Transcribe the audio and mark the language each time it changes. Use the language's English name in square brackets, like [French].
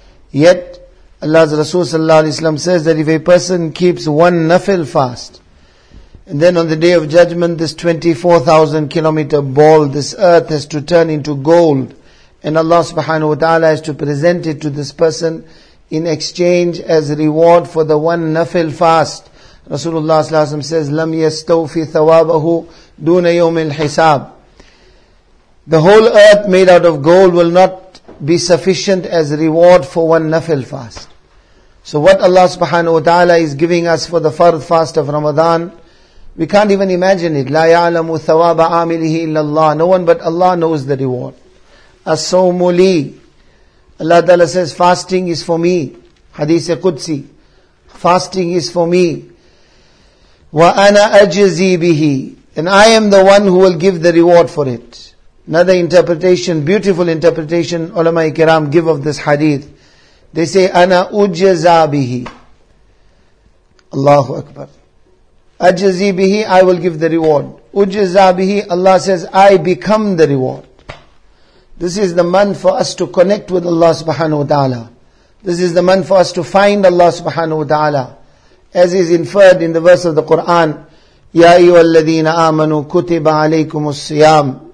[English] Yet, Allah's Rasul sallallahu alayhi wa sallam says that if a person keeps one nafil fast, and then on the day of judgment, this 24,000 kilometer ball, this earth has to turn into gold, and Allah subhanahu wa ta'ala has to present it to this person in exchange as a reward for the one nafil fast. [Arabic] Rasulullah sallallahu alaihi wasallam says, لَمْ يَسْتَوْفِ ثَوَابَهُ دُونَ يَوْمِ الْحِسَابِ. [English] The whole earth made out of gold will not be sufficient as a reward for one nafil fast. So what Allah subhanahu wa ta'ala is giving us for the fard fast of Ramadan, we can't even imagine it. [Arabic] لا يعلم ثواب عامله إلا الله. [English] No one but Allah knows the reward. [Arabic] الصوم لي. [English] Allah Ta'ala says, fasting is for me. Hadith Qudsi. Fasting is for me. [Arabic] وأنا أجزي به. [English] And I am the one who will give the reward for it. Another interpretation, beautiful interpretation, ulama kiram give of this hadith. They say, [Arabic] أنا أجزى به. Allahu Akbar. أَجَزِي بِهِ, [English] I will give the reward. [Arabic] أُجَزَى بِهِ, [English] Allah says, I become the reward. This is the month for us to connect with Allah subhanahu wa ta'ala. This is the month for us to find Allah subhanahu wa ta'ala. as is inferred in the verse of the Quran, Ya ayyuhalladhina amanu kutiba alaykumus siyam.